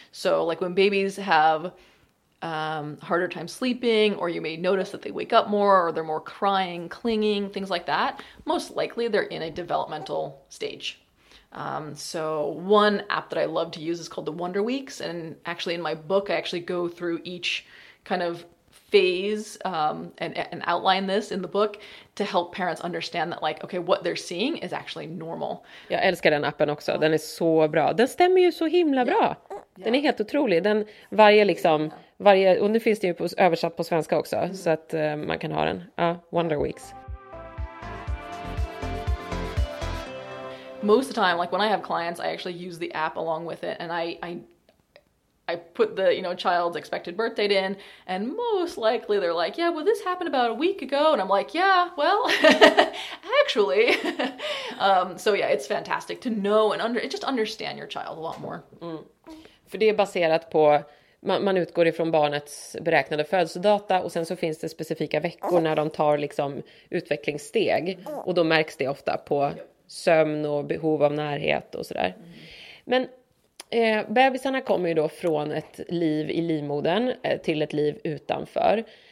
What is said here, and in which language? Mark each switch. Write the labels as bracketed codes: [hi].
[en] So like when babies have harder time sleeping, or you may notice that they wake up more, or they're more crying, clinging, things like that, most likely they're in a developmental stage. So one app that I love to use is called the Wonder Weeks. And actually in my book, I actually go through each kind of phase, and outline this in the book to help parents understand that, like, okay, what they're seeing is actually normal. [sv] Jag älskar den appen också. Den är så bra. Den stämmer ju så himla bra. [en] Yeah. [sv] Den är helt otrolig. Den varje liksom, varje, och nu finns det ju på, översatt på svenska också, så att man kan ha den. Ja, Wonder Weeks. [en] Most of the time, like when I have clients, I actually use the app along with it, and I put the, you know, child's expected birth date in, and most likely they're like, yeah, well, this happened about a week ago, and I'm like, yeah, well, actually, so yeah, it's fantastic to know and understand your child a lot more. [sv] För det är baserat på, man utgår ifrån barnets beräknade födelsedata, och sen så finns det specifika veckor när de tar liksom utvecklingssteg, och då märks det ofta på sömn och behov av närhet och sådär. Mm. Men bebisarna kommer ju då från ett liv i livmodern till ett liv utanför.